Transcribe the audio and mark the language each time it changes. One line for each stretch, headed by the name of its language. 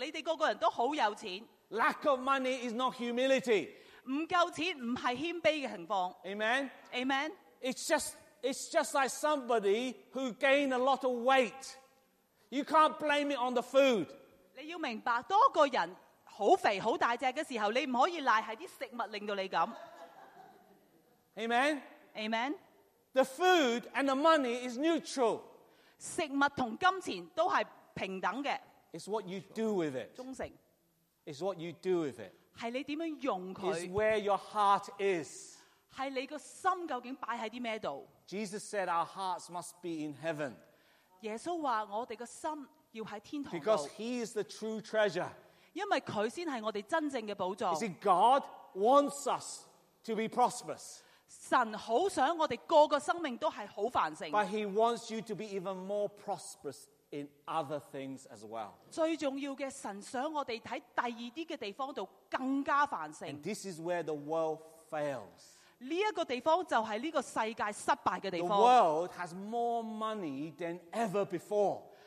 Chinese: 我为你们祈祷，你们个个人都繁盛，你们个个人都很有钱。
English: Lack of money is not humility.
Chinese: 不够钱不是谦卑的情况。
English: Amen. Amen. It's just like somebody who gained a lot of weight. You can't blame it on the food.
Chinese: 你要明白，当一个人很肥很大只的时候， 你不可以赖是食物令到你这样。
English: Amen. Amen. The food and the money is neutral.
Chinese: 食物和金钱都是平等的。
English: It's what you do with it.
Chinese: 忠诚。
English: It's what you do with it.
Chinese: 是你怎么用它。
English: It's where your heart is.
Chinese: 是你的心究竟放在什么地方。
English: Jesus said our hearts must be in heaven.
Chinese: 耶稣说我们的心要在天堂里,
English: because he is the true treasure.
Chinese: 因为他才是我们真正的宝藏。
English: You see, God wants us to be prosperous.
Chinese: 神很想我们个个生命都是很繁盛。
English: But he wants you to be even more prosperous in other things as well.
Chinese: 最重要的，神想我们在第二些地方更加繁盛。
English: And this is where the world fails.
Chinese: 这个地方就是这个世界失败的地方。
English: The world has more money than ever before.